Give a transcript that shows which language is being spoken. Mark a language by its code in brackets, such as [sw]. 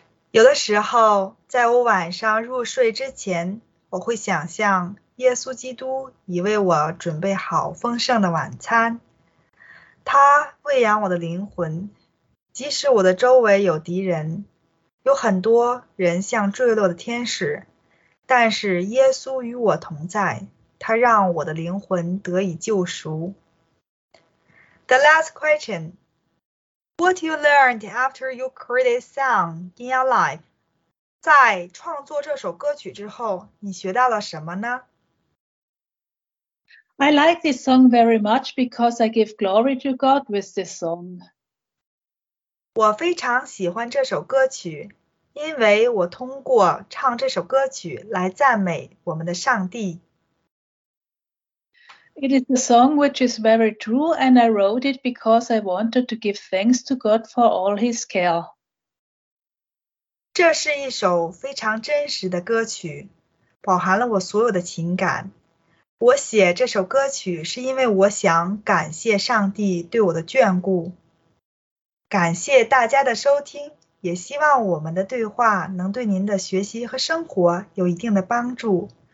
[zh] 有的时候，在我晚上入睡之前，我会想象耶稣基督已为我准备好丰盛的晚餐。他喂养我的灵魂，即使我的周围有敌人，有很多人像坠落的天使，但是耶稣与我同在，他让我的灵魂得以救赎。 [en] The last question. What you learned after you created song in your life? [zh] 在创作这首歌曲之后，你学到了什么呢？ [en] I like this song very much because I give glory to God with this song. [zh] 我非常喜欢这首歌曲，因为我通过唱这首歌曲来赞美我们的上帝。 [en] It is a song which is very true and I wrote it because I wanted to give thanks to God for all his care. [zh] 这是一首非常真实的歌曲，饱含了我所有的情感。我写这首歌曲是因为我想感谢上帝对我的眷顾。感谢大家的收听，也希望我们的对话能对您的学习和生活有一定的帮助。